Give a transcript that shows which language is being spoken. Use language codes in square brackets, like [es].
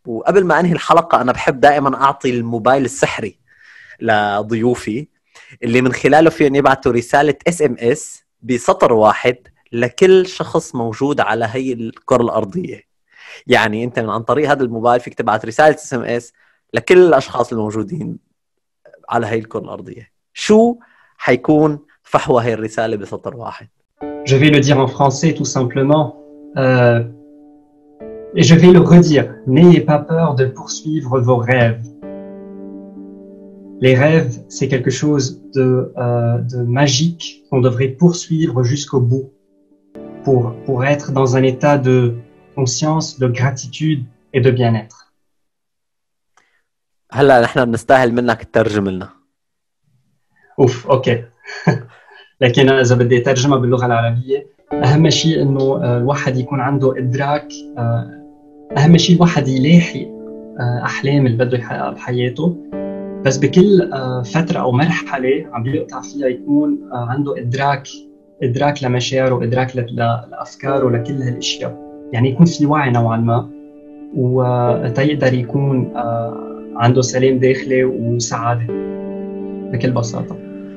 [ar] وقبل ما انهي الحلقة، انا بحب دائما اعطي الموبايل السحري لضيوفي، اللي من خلاله فيهم يبعثوا رسالة SMS بسطر واحد لكل شخص موجود على هي الكرة الأرضية. يعني انت من عن طريق هذا الموبايل فيك تبعث رسالة SMS لكل الأشخاص الموجودين على هي الكرة الأرضية. شو حيكون فحوى هي الرسالة بسطر واحد؟ [fr] Je vais le dire en français tout simplement et je vais le redire. N'ayez pas peur de poursuivre vos rêves. Les rêves, c'est quelque chose de magique qu'on devrait poursuivre jusqu'au bout pour être dans un état de conscience, de gratitude et de bien-être. [ar] هلا نحن بنستاهل منك تترجم لنا. اوف اوكي. لكن إذا بدي أترجمها باللغة العربية، أهم شيء إنه الواحد يكون عنده إدراك، أهم شيء الواحد يلاحق أحلام اللي بده يحققها بحياته، بس بكل فترة أو مرحلة عم بيقطع فيها يكون عنده إدراك لمشاعره، إدراك لأفكاره، لكل هالأشياء، يعني يكون في وعي نوعاً ما، وتقدر يكون عنده سلام داخلي وسعادة بكل بساطة.